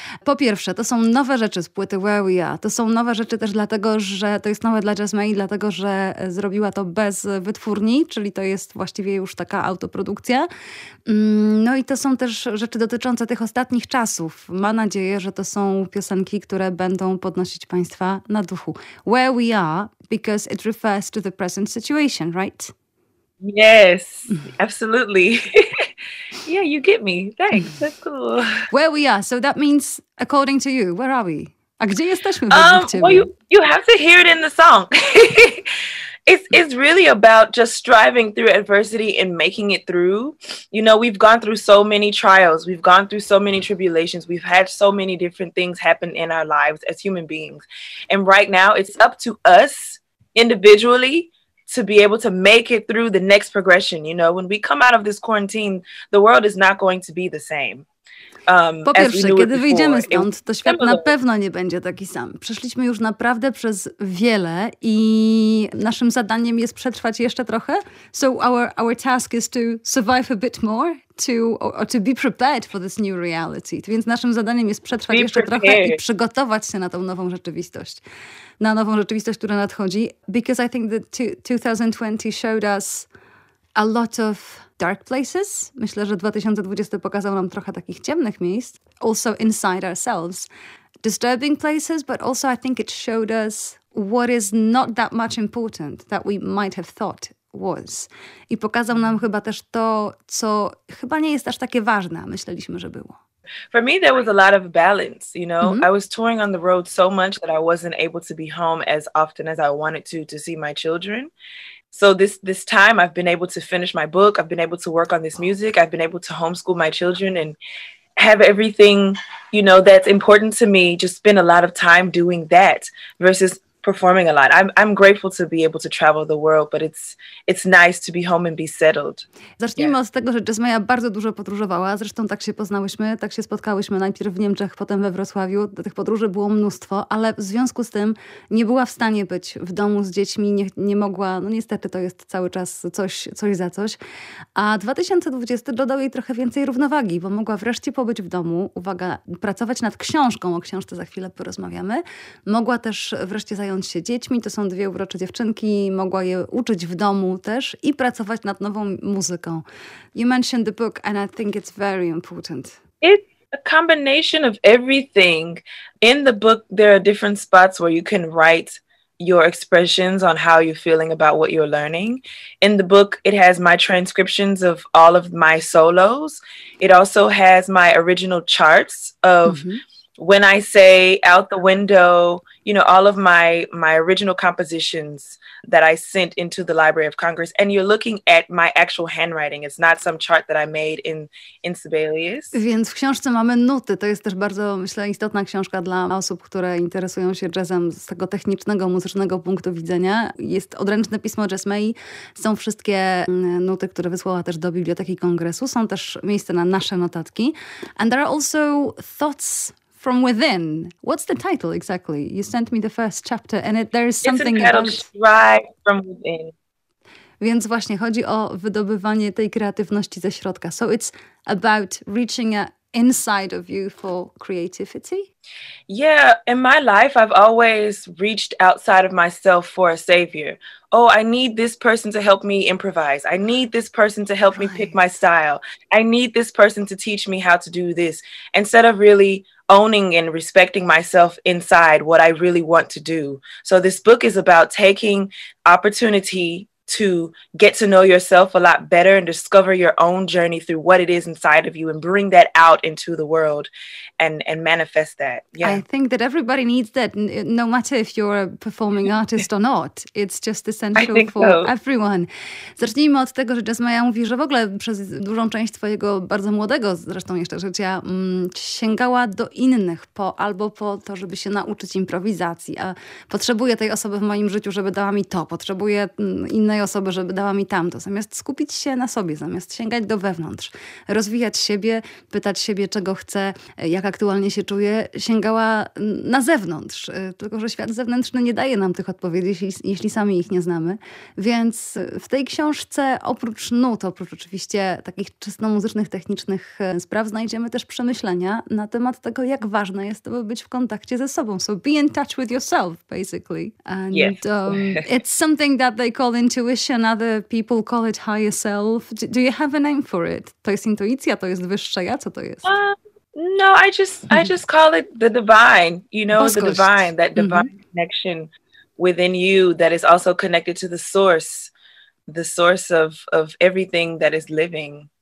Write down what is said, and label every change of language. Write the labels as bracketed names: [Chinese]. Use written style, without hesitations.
[Polish] Po pierwsze, to są nowe rzeczy z płyty Where We Are. To są nowe rzeczy też dlatego, że to jest nowe dla Jasmia, dlatego, że zrobiła to bez wytwórni, czyli to jest właściwie już taka autoprodukcja. No i to są też rzeczy dotyczące tych ostatnich czasów. Mam nadzieję, że to są piosenki, które będą podnosić Państwa na duchu. [English] Where We Are, because it refers to the present situation, right? Yes, absolutely. Yeah, you get me. Thanks. That's cool. Where we are. So that means, according to you, where are we? [Polish] A gdzie jesteśmy? [English] You have to hear it in the song. It's really about just striving through adversity and making it through. You know, we've gone through so many trials. We've gone through so many tribulations. We've had so many different things happen in our lives as human beings. And right now, it's up to us individually to be able to make it through the next progression. You know, when we come out of this quarantine, the world is not going to be the same. [Polish] Po pierwsze, kiedy wyjdziemy stąd, to świat na pewno nie będzie taki sam. Przeszliśmy już naprawdę przez wiele i naszym zadaniem jest przetrwać jeszcze trochę. [English] So our task is to survive a bit more, to be prepared for this new reality. [Polish] Więc naszym zadaniem jest przetrwać jeszcze trochę i przygotować się na tą nową rzeczywistość. Na nową rzeczywistość, która nadchodzi. [English] Because I think that 2020 showed us a lot of dark places. [Polish] Myślę, że 2020 pokazał nam trochę takich ciemnych miejsc. [English] Also inside ourselves. Disturbing places, but also I think it showed us what is not that much important that we might have thought was. [Polish] I pokazał nam chyba też to, co chyba nie jest aż takie ważne, a myśleliśmy, że było. [English] For me, there was a lot of balance, you know. Mm-hmm. I was touring on the road so much that I wasn't able to be home as often as I wanted to see my children. So this time I've been able to finish my book, I've been able to work on this music, I've been able to homeschool my children and have everything, you know, that's important to me, just spend a lot of time doing that versus performing a lot. I'm grateful to be able to travel the world, but it's nice to be home and be settled. [Polish] Zacznijmy od tego, że Jasmaja bardzo dużo podróżowała. Zresztą tak się poznałyśmy, tak się spotkałyśmy najpierw w Niemczech, potem we Wrocławiu. Tych podróży było mnóstwo, ale w związku z tym nie była w stanie być w domu z dziećmi, nie mogła, no niestety to jest cały czas coś za coś. A 2020 dodał jej trochę więcej równowagi, bo mogła wreszcie pobyć w domu, uwaga, pracować nad książką, o książce za chwilę porozmawiamy. Mogła też wreszcie zająć się dziećmi, to są dwie urocze dziewczynki, mogła je uczyć w domu też i pracować nad nową muzyką. [English] You mentioned the book and I think it's very important. It's a combination of everything. In the book there are different spots where you can write your expressions on how you're feeling about what you're learning. In the book it has my transcriptions of all of my solos. It also has my original charts of when I say out the window, you know, all of my original compositions that I sent into the Library of Congress, and you're looking at my actual handwriting. It's not some chart that I made in Sibelius. [Polish] Więc w książce mamy nuty. To jest też bardzo, myślę, istotna książka dla osób, które interesują się jazzem z tego technicznego, muzycznego punktu widzenia. Jest odręczne pismo Jasmei. Są wszystkie nuty, które wysłała też do Biblioteki Kongresu. Są też miejsce na nasze notatki. [English] And there are also thoughts from within. What's the title exactly? You sent me the first chapter and there is something about... It's entitled Try From Within. [Polish] Więc właśnie chodzi o wydobywanie tej kreatywności ze środka. [English] So it's about reaching inside of you for creativity? Yeah, in my life I've always reached outside of myself for a savior. Oh, I need this person to help me improvise. I need this person to help me pick my style. I need this person to teach me how to do this. Instead of really owning and respecting myself inside what I really want to do. So this book is about taking opportunity to get to know yourself a lot better and discover your own journey through what it is inside of you and bring that out into the world and manifest that. Yeah. I think that everybody needs that, no matter if you're a performing artist or not. It's just essential for everyone. [Polish] Zacznijmy od tego, że Jasmaja mówi, że w ogóle przez dużą część swojego bardzo młodego zresztą jeszcze życia sięgała do innych albo po to, żeby się nauczyć improwizacji. A potrzebuję tej osoby w moim życiu, żeby dała mi to. Potrzebuję innej osoby, żeby dała mi tamto, zamiast skupić się na sobie, zamiast sięgać do wewnątrz, rozwijać siebie, pytać siebie, czego chcę, jak aktualnie się czuję, sięgała na zewnątrz, tylko że świat zewnętrzny nie daje nam tych odpowiedzi, jeśli sami ich nie znamy, więc w tej książce oprócz nut, oprócz oczywiście takich czysto muzycznych, technicznych spraw, znajdziemy też przemyślenia na temat tego, jak ważne jest to, by być w kontakcie ze sobą, [English] so be in touch with yourself, basically, and it's something that they call intuition, other people call it higher self. Do you have a name for it? [Polish] To jest intuicja, to jest wyższe ja, co to jest? [English] No, I just call it the divine, you know, Boskość. The divine, that divine connection within you that is also connected to the source of everything that is living.